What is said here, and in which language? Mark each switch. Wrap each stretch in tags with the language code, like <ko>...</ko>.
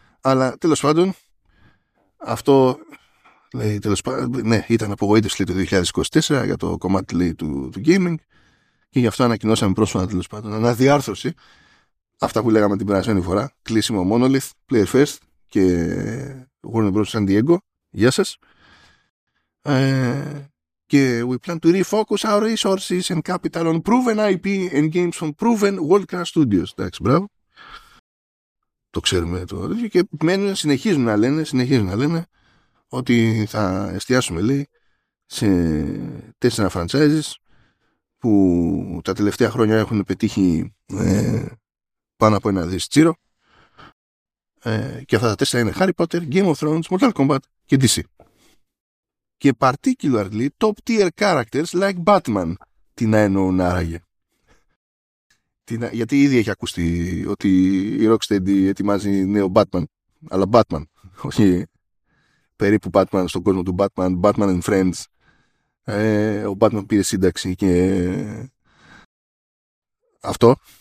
<el>Αλλά τέλος πάντων, αυτό λέει, τέλος πάντων, ναι, ήταν απογοήτευση λέει, το 2024 για το κομμάτι λέει, του gaming, και γι' αυτό ανακοινώσαμε πρόσφατα τέλος πάντων αναδιάρθρωση αυτά που λέγαμε την περασμένη φορά, κλείσιμο Monolith, Player First και Warner Bros. San Diego. Γεια σας. Και</el> <en>we plan to refocus our resources and capital on proven IP and games from proven world-class studios.</en> <el>Εντάξει, μπράβο. Το ξέρουμε το ίδιο. Και συνεχίζουν να λένε ότι θα εστιάσουμε, λέει, σε 4 franchises που τα τελευταία χρόνια έχουν πετύχει πάνω από ένα δις τσίρο. Και αυτά τα 4 είναι Harry Potter, Game of Thrones, Mortal Kombat και DC. Και</el> <en>particularly top tier characters like Batman.</en> <el>Τι να εννοούν άραγε. Γιατί ήδη έχει ακούσει ότι η Rocksteady ετοιμάζει νέο Batman. Αλλά Batman. Όχι περίπου Batman στον κόσμο του Batman. Batman and Friends. Ο Batman πήρε σύνταξη και... Αυτό.</el>